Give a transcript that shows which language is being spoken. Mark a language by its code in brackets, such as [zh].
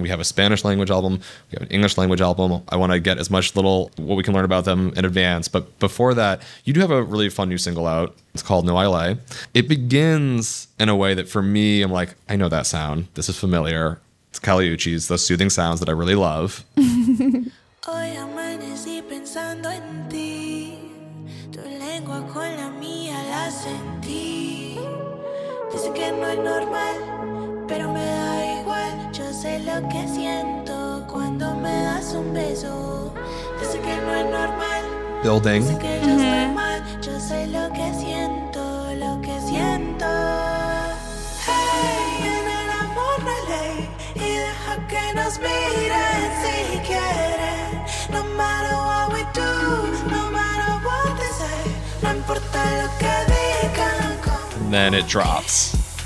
[en] We have a Spanish language album. We have an English language album. I want to get as much little what we can learn about them in advance. But before that, you do have a really fun new single out. It's called No Ile. It begins in a way that for me, I'm like, I know that sound. This is familiar. It's Caliucci's, those soothing sounds that I really love. [es] Hoy amanecí pensando en ti. Tu lengua con la mía la sentí. Dice que no es normal, pero me da igual. Yo sé lo que siento cuando me das un beso. Dice que no es normal. Building. Dice que yo estoy mal. Yo sé lo que siento, lo que siento. Hey, en el amor no hay ley. Y deja que nos miren si quieren. [en] No matter what we do, no matter what they say. [es] No importa lo que digan. [en] Then it drops.